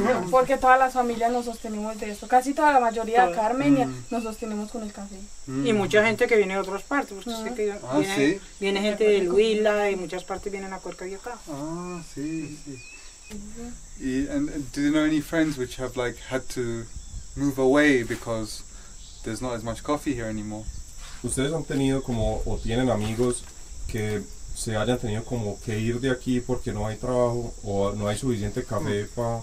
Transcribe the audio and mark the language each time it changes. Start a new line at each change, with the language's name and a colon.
Spanish: Porque todas las familias nos sostenemos de esto. Casi toda la mayoría de Armenia nos sostenemos con el café. Y mucha gente que viene de otras partes. Porque sé que viene gente del Huila y muchas partes vienen a Cuerca Vieja.
English: Do you know any friends which have like had to move away because there's not as much coffee here anymore?
Spanish: ¿Ustedes han tenido como, o tienen amigos que se hayan tenido como que ir de aquí porque no hay trabajo o no hay suficiente café para...?